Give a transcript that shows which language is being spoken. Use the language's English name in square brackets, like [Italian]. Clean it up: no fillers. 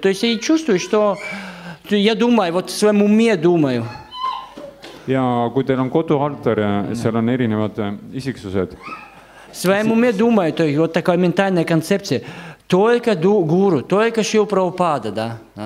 [Russian] То есть я чувствую, что я думаю, вот в своем уме думаю. [Estonian] Ja kui teil on kodu altar ja seal on erinevad isiksused. [Russian] Своему уме думаю, то есть вот такая ментальная концепция. Только гуру, только Шрилу Прабхупада, да.